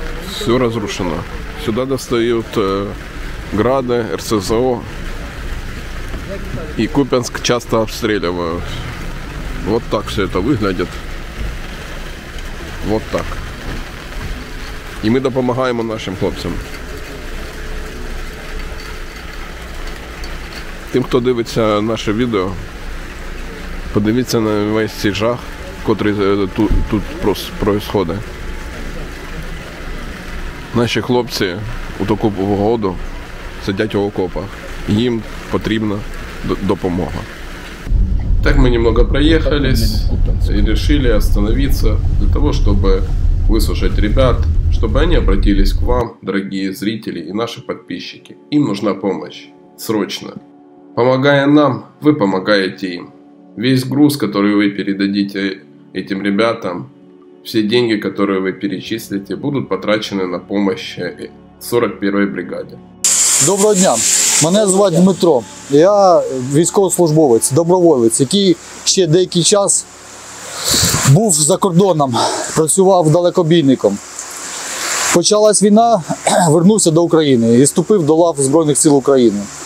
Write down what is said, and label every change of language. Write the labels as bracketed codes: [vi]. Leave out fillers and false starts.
[ru] Все разрушено. Сюда достают грады, РСЗО. И Купянск часто обстреливают. Вот так все это выглядит. Вот так. И мы допомагаем нашим хлопцам. [uk] Тим, хто дивиться наше відео, подивіться на весь цей жах, котрий тут проїсходить. Наші хлопці у таку погоду сидять у окопах. Їм потрібна допомога. Так ми немного проїхались і вирішили остановитися для того, щоб вислухати ребят, щоб вони обратились к вам, дорогі зрителі і наші підписчики. Їм [ru] нужна помощь. Срочно. [uk] Помогая нам, ви помогаєте їм. [ru] Весь груз, [uk] який ви передадите цим ребятам, [ru] все деньги, которые вы перечислите, будут потрачены на помощь 41-й бригаде. [uk] Доброго дня. Мене звати Дмитро. Я військовослужбовець, доброволець, який ще деякий час був за кордоном, працював далекобійником. Почалась війна, вернувся до України і вступив до лав Збройних сил України.